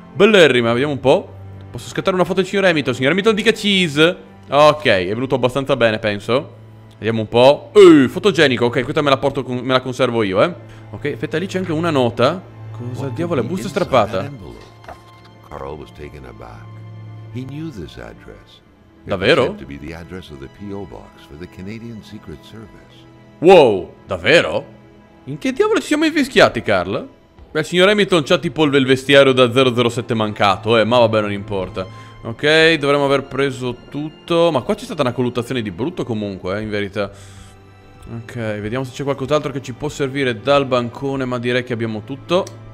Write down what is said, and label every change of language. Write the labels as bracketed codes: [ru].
[it] Bellerrima, vediamo un po'. Posso scattare una foto del signor Hamilton? Signor Hamilton, dica cheese. Ok, è venuto abbastanza bene, penso. Vediamo un po'. Fotogenico, ok, questa me la porto, me la conservo io, eh. Ok, aspetta, lì c'è anche una nota. Cosa diavolo, è busta strappata. [en] Carl was taken aback. He knew this address. [it] Davvero? [en] It was the address of the PO box for the Canadian Secret Service. [it] Wow, davvero? In che diavolo ci siamo invischiati, Carl? Beh, il signor Hamilton c'ha tipo il vestiario da 007 mancato, ma vabbè, non importa. Ok, dovremmo aver preso tutto. Ma qua c'è stata una colluttazione di brutto comunque, in verità. Ok, vediamo se c'è qualcos'altro che ci può servire dal bancone, ma direi che abbiamo tutto.